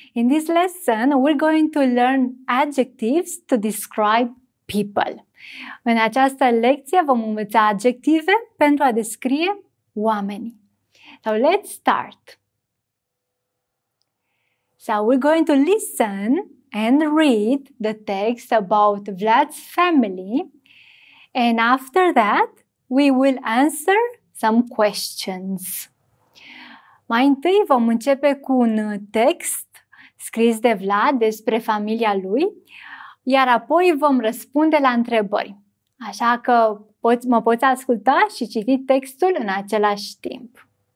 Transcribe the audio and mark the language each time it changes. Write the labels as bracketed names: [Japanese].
[English] In this lesson, we're going to learn adjectives to describe people. [Romanian] În această lecție vom învăța adjective pentru a descrie oameni. [English] So let's start! So we're going to listen and read the text about Vlad's family, and after that, we will answer some questions. [Romanian] Mai întâi vom începe cu un text scris de Vlad despre familia lui, iar apoi vom răspunde la întrebări. Așa că mă poți asculta și citi textul în același timp.